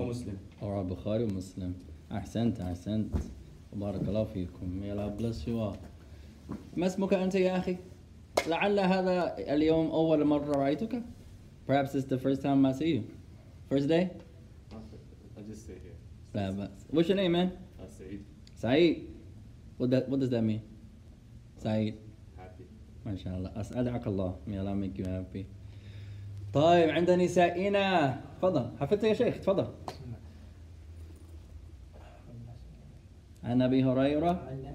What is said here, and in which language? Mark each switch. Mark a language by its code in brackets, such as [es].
[ar] ومسلم رواه البخاري ومسلم أحسنت بارك الله فيكم يا الله بلس يوا ما اسمك أنت يا أخي لعل هذا اليوم أول مرة رأيتك [en] perhaps it's the first time I see you first day I just stay here [ar] لا بس [en] what's your name man [ar] سعيد [en] what does that mean سعيد happy [ar] ما شاء الله أسألك الله [en] may Allah make you happy [ar] طيب عند نسائنا تفضل حفظت يا شيخ تفضل عن أبي هريرة